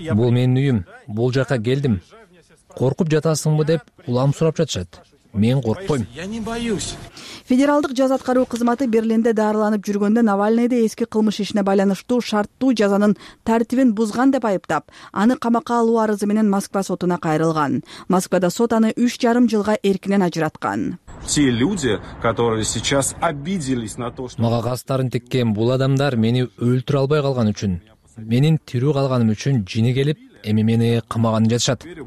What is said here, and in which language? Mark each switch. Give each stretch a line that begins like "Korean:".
Kyrgyz: Бул менин үйүм. Бул жака келдим. Коркуп жатасыңбы деп улам сурап жатышат. Мен коркпойм.
Russian: Я не боюсь.
Kyrgyz: Федералдык жаза аткаруу кызматы Берлинде даарланып жүргөндө Навальныйды эски кылмыш ишине байланыштуу шарттуу жазанын тартибин бузган деп айыптап, аны камакка алуу арызы менен Москва сотуна кайрылган. Москвада сот аны 3,5 жылга эркинен ажыраткан.
Russian: Те люди, которые сейчас обиделись на то, что
Kyrgyz: мага кастарын тиккен бул адамдар мени өлтүрө албай калган үчүн, менин тирүү калганым үчүн жини келип, эми мени камаган жатышат.